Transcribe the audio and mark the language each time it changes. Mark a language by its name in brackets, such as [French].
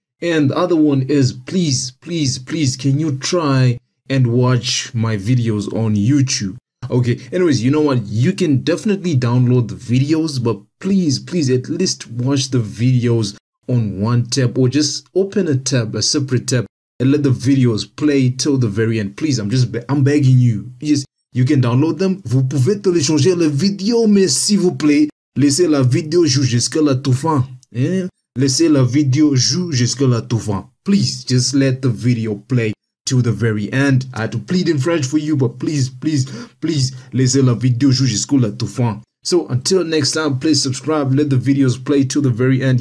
[English] And the other one is, please, please, please, can you try and watch my videos on YouTube? Okay, anyways, you know what? You can definitely download the videos, but please, please, at least watch the videos on one tab, or just open a tab, a separate tab, and let the videos play till the very end. Please, I'm begging you. Yes, you can download them. [French] Vous pouvez télécharger la vidéo, mais s'il vous plaît, laissez la vidéo jouer jusqu'à la toute fin. Laissez la vidéo jouer jusqu'à la toute fin. [English] Please, just let the video play to the very end. I had to plead in French for you, but please, please, please, [French] laissez la vidéo jusqu'à la toute fin. [English] So until next time, please subscribe, let the videos play to the very end.